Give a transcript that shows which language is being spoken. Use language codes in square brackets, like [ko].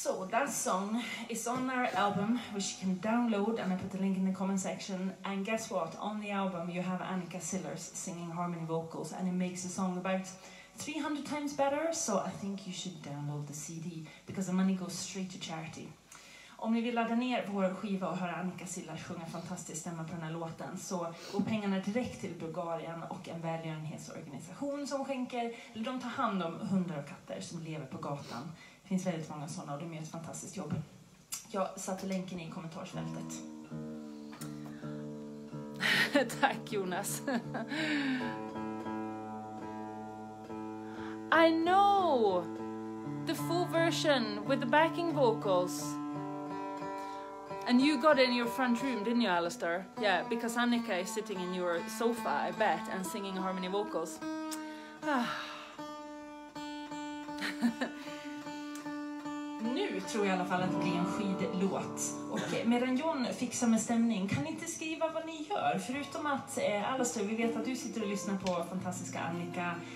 [en] that song is on our album, which you can download, and I put the link in the comment section. And guess what? On the album, you have Annika Sillers singing harmony vocals, and it makes the song about 300 times better. So I think you should download the CD, because the money goes straight to charity. [sv] Om ni vill ladda ner vår skiva och höra Annika Sillers sjunga fantastiskt stämma på den här låten, så går pengarna direkt till Bulgarien och en välgörenhetsorganisation som skänker, eller de tar hand om hundar och katter som lever på gatan. Det finns väldigt många sådana och de gör ett fantastiskt jobb. Jag satte länken i kommentarsfältet. Tack Jonas. [en] I know the full version with the backing vocals. And you got it in your front room, didn't you, Alistair? Yeah, because Annika is sitting in your sofa, I bet, and singing harmony vocals. [sv] Nu tror jag i alla fall att det blir en skidlåt. Och medan John fixar med stämning, kan ni inte skriva vad ni gör? Förutom att, Alistair, vi vet att du sitter och lyssnar på fantastiska Annika.